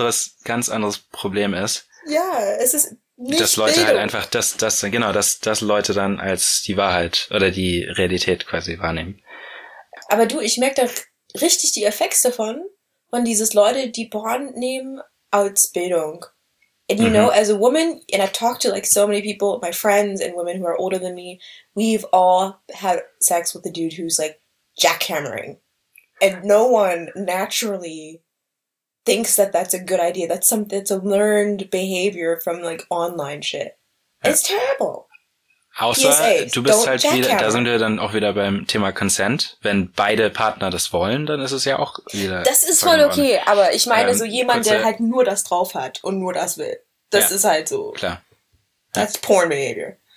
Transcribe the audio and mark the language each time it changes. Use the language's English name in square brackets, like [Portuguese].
[German] Was ein ganz anderes Problem ist. Ja, es ist nicht dass Leute Bildung. Halt einfach dass Leute dann als die Wahrheit oder die Realität quasi wahrnehmen. Aber du, ich merke da richtig die Effekte davon, von dieses Leute, die Porn nehmen als Bildung. [English] And you know, as a woman, and I've talked to like so many people, my friends and women who are older than me, we've all had sex with a dude who's like jackhammering. And no one naturally thinks that that's a good idea. That's a learned behavior from like online shit. It's terrible. [German] Außer, PSAs, du bist halt wieder, da sind wir dann auch wieder beim Thema Consent. Wenn beide Partner das wollen, dann ist es ja auch wieder. Das ist voll okay, aber ich meine so jemand, der halt nur das drauf hat und nur das will. Das ist halt so. Klar. [English] That's porn behavior.